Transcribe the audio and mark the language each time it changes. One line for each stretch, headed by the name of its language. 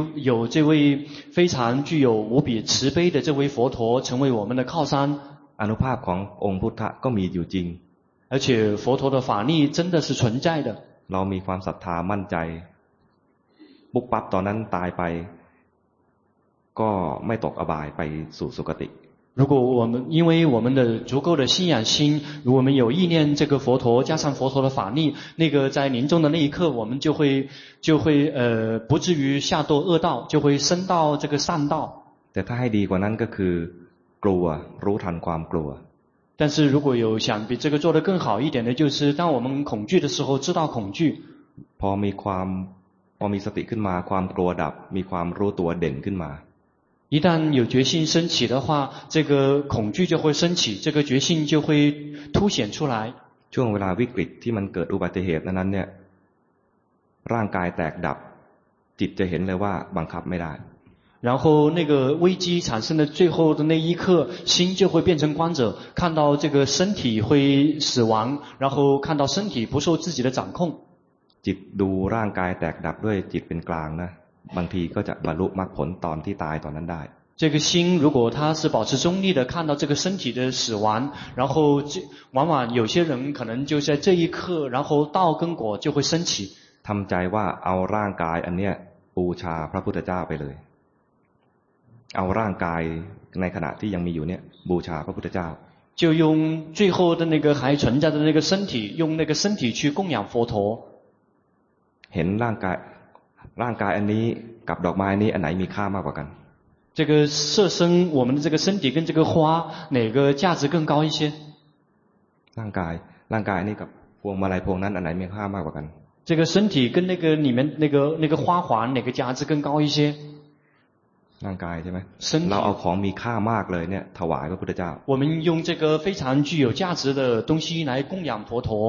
Chinese: 有这位非常具有无比慈悲的这位佛陀成为我们的靠山。
Thai: อนุภาพขององค์พุทธะก็มีอยู่จริง。
Chinese: 而且佛陀的法力真的是存在的。
Thai: เรามีความศรัทธามั่นใจปุ๊บปั๊บตอนนั้นตายไปก็ไม่ตกอบายไปสู่สุคติ
Chinese: 如果我们因为我们的足够的信仰心，如果我们有意念这个佛陀，加上佛陀的法力，那个在临终的那一刻，我们就会不至于下堕恶道，就会升到这个善道。
Thai: แต่ถ้าให้ดีกว่านั้นก็คือกลัวรู้ทันความกลัว
Chinese: 但是如果有想比这个做得更好一点的，就是当我们恐惧的时候，知道恐惧。
Thai: พอมีสติขึ้นมาความกลัวดับมีความรู้ตัวเด่นขึ้นมา
Chinese: 一旦有决心升起的话，这个恐惧就会升起，这个决心就会凸显出来。
Thai: ช่วงเวลาวิกฤตที่มันเกิดอุบัติเหตุนั้นเนี่ยร่างกายแตกดับจิตจะเห็นเลยว่าบังคับไม่ได้
Chinese: 然后那个危机产生的最后的那一刻，心就会变成观者，看到这个身体会死亡，然后看到身体不受自己的掌控。
Thai: จิตดูร่างกายแตกดับด้วยจิตเป็นกลางนะบางทีก็จะบรรลุมรรคผลตอนที่ตายตอนนั้นได้。
Chinese: 这个心如果它是保持中立的，看到这个身体的死亡，然后往往有些人可能就在这一刻，然后道跟果就会升起。
Thai: ทำใจว่าเอาร่างกายอันเนี้ยบูชาพระพุทธเจ้าไปเลยเอาร่างกายในขณะที่ยังมีอยู่เนี่ยบูชาพระพุทธเจ้า
Chinese: 就用最后的那个还存在的那个身体用那个身体去供养佛陀
Thai: เห็นร่างกายอันนี้กับดอกไม้นี้อันไหนมีค่ามากกว่ากัน
Chinese: 这个色身我们的这个身体跟这个花哪个价值更高一些
Thai: ร่างกายนี้กับพวงมาลัยพวงนั้นอันไหนมีค่ามากกว่ากัน
Chinese: 这个身体跟那个里面那个花环哪个价值更高一些
Thai: ร่างกายใช่ไหมเราเอาของมีค่ามากเลยเนี่ยถวายพระพุทธเจ้า
Chinese: 我们用这个非常具有价值的东西来供养佛陀